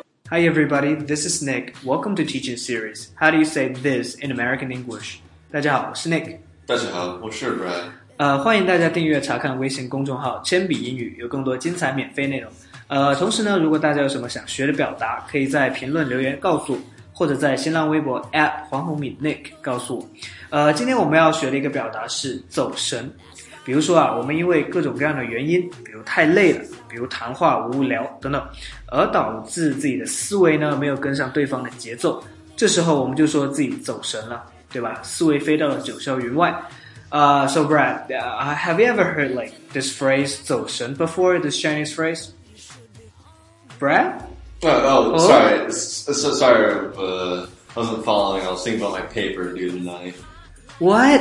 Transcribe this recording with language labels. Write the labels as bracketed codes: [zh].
[en] Hi everybody, this is Nick. Welcome to Teaching Series. How do you say this in American English? [zh] 大家好，我是 Nick。大家好，我是 Brad。欢迎大家订阅查看微信公众号“铅笔英语”，有更多精彩免费内容。同时呢，如果大家有什么想学的表达，可以在评论留言告诉我，或者在新浪微博 @ 黄宏敏 Nick 告诉我。今天我们要学的一个表达是走神。比如说啊，我们因为各种各样的原因，比如太累了，比如谈话无聊等等，而导致自己的思维呢没有跟上对方的节奏，这时候我们就说自己走神了，对吧？思维飞到了九霄云外。 [en] So Brad, have you ever heard like this phrase 走神 before, this Chinese phrase? Brad? Sorry, I wasn't following, I was thinking about my paper due tonight. What?